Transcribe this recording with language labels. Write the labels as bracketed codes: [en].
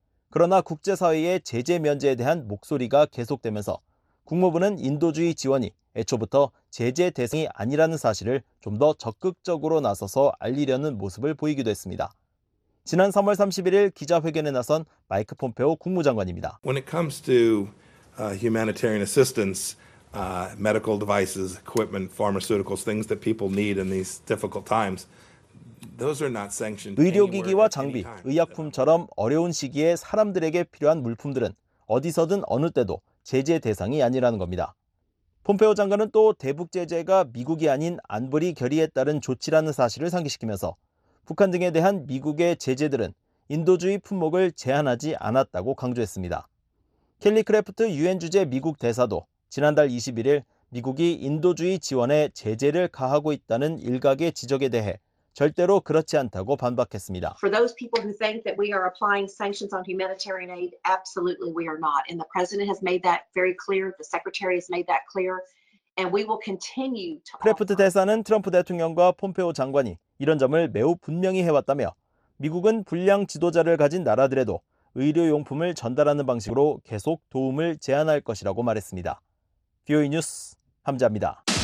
[ko] 그러나 국제사회의 제재 면제에 대한 목소리가 계속되면서 국무부는 인도주의 지원이 애초부터 제재 대상이 아니라는 사실을 좀 더 적극적으로 나서서 알리려는 모습을 보이기도 했습니다. 지난 3월 31일 기자회견에 나선 마이크 폼페오 국무장관입니다. [en] When it comes to humanitarian assistance, medical devices, equipment, pharmaceuticals, things that people need in these difficult times, those are not sanctioned. [ko] 의료기기와 장비, 의약품처럼 어려운 시기에 사람들에게 필요한 물품들은 어디서든 어느 때도 제재 대상이 아니라는 겁니다. 폼페오 장관은 또 대북 제재가 미국이 아닌 안보리 결의에 따른 조치라는 사실을 상기시키면서 북한 등에 대한 미국의 제재들은 인도주의 품목을 제한하지 않았다고 강조했습니다. 켈리 크래프트 유엔 주재 미국 대사도 지난달 21일 미국이 인도주의 지원에 제재를 가하고 있다는 일각의 지적에 대해 절대로 그렇지 않다고 반박했습니다. [en] For those people who think that we are applying sanctions on humanitarian aid, absolutely we are not. And the president has made that very clear. The secretary has made that clear. And we will continue to. [ko] 크래프트 대사는 트럼프 대통령과 폼페오 장관이 이런 점을 매우 분명히 해왔다며 미국은 불량 지도자를 가진 나라들에도 의료용품을 전달하는 방식으로 계속 도움을 제안할 것이라고 말했습니다. VOA 뉴스 함자입니다.